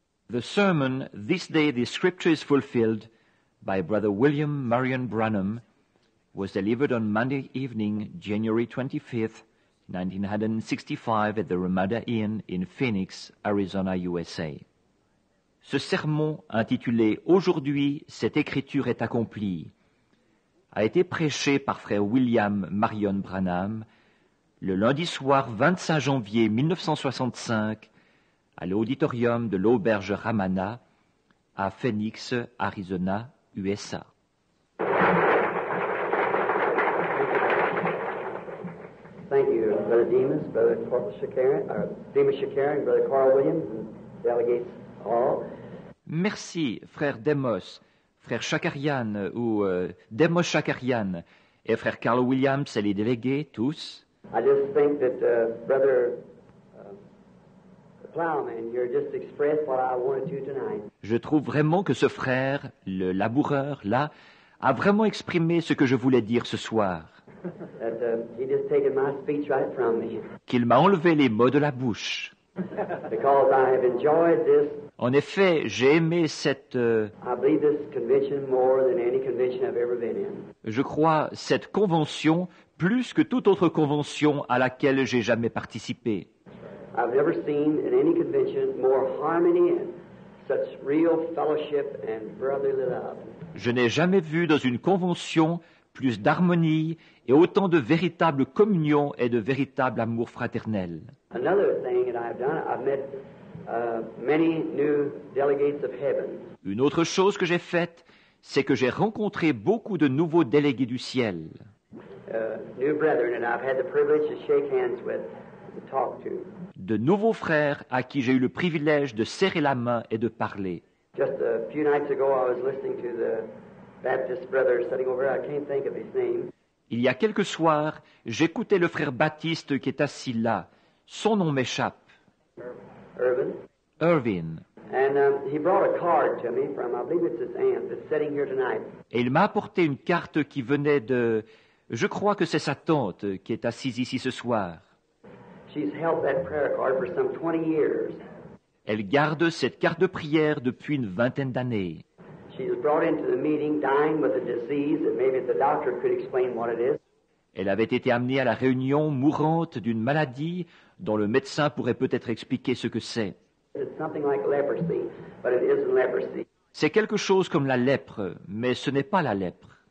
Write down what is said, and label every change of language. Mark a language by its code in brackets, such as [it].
[en] The sermon, "This Day the Scripture is Fulfilled," by Brother William Marion Branham, was delivered on Monday evening, January 25, 1965, at the Ramada Inn in Phoenix, Arizona, USA. [fr] Ce sermon, intitulé « Aujourd'hui, cette écriture est accomplie », a été prêché par Frère William Marion Branham le lundi soir 25 janvier 1965 à l'auditorium de l'auberge Ramana à Phoenix, Arizona, USA. [en] Thank you, Brother Demas, Brother Corporal Shakarin, Demas Shakarin, Brother Carl Williams, and delegates all. [fr] Merci, Frère Demos, Frère Shakarian ou Demos Shakarian et Frère Carl Williams et les délégués tous. [en] I just think that Brother Plowman, you just expressed what I wanted you tonight. [fr] Je trouve vraiment que ce frère, le laboureur, là, a vraiment exprimé ce que je voulais dire ce soir. [en] That, he just taken my speech right from me. [fr] Qu'il m'a enlevé les mots de la bouche. [en] Because I have enjoyed this. [fr] En effet, j'ai aimé cette... [en] I believe this convention more than any convention I've ever been in. [fr] Je crois cette convention plus que toute autre convention à laquelle j'ai jamais participé. [en] I've never seen in any convention more harmony and such real fellowship and brotherly love. [fr] Je n'ai jamais vu dans une convention plus d'harmonie et autant de véritable communion et de véritable amour fraternel. [en] Another thing that I've done, I've met many new delegates of heaven. [fr] Une autre chose que j'ai faite, c'est que j'ai rencontré beaucoup de nouveaux délégués du ciel. [en] New brethren, and I've had the privilege to shake hands with, to talk to. [fr] De nouveaux frères à qui j'ai eu le privilège de serrer la main et de parler. [en] Just a few nights ago, I was listening to the Baptist brother sitting over there. I can't think of his name. [fr] Il y a quelques soirs, j'écoutais le frère Baptiste qui est assis là. Son nom m'échappe. [en] Irvin. And he brought a card to me from, I believe it's his aunt, that's sitting here tonight. [fr] Et il m'a apporté une carte qui venait de... Je crois que c'est sa tante qui est assise ici ce soir. [en] She's held that prayer card for some 20 years. [fr] Elle garde cette carte de prière depuis une vingtaine d'années. [en] She's brought into the meeting dying with a disease that maybe the doctor could explain what it is. [fr] Elle avait été amenée à la réunion mourante d'une maladie dont le médecin pourrait peut-être expliquer ce que c'est. [en] It's something like leprosy, but it isn't leprosy. [fr] C'est quelque chose comme la lèpre, mais ce n'est pas la lèpre.